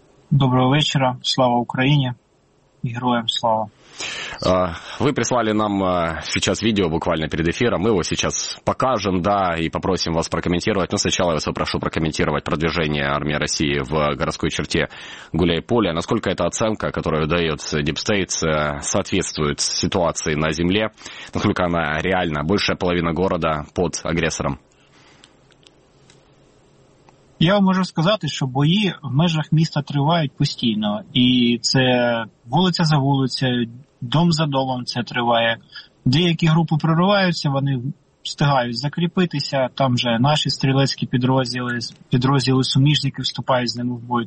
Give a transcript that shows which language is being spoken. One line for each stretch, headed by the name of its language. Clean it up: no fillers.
Russian: Доброго вечера. Слава Украине. И героям слава. Вы прислали нам сейчас видео буквально перед эфиром. Мы его сейчас покажем, да, и попросим вас прокомментировать. Но сначала я вас попрошу прокомментировать продвижение армии России в городской черте Гуляйполя. Насколько эта оценка, которую дает Deep State, соответствует ситуации на земле? Насколько она реальна? Большая половина города под агрессором.
Ukrainian: Я вам можу сказати, що бої в межах міста тривають постійно. І це вулиця за вулицею, дом за домом це триває. Деякі групи прориваються, вони встигають закріпитися. Там же наші стрілецькі підрозділи суміжників вступають з ними в бой.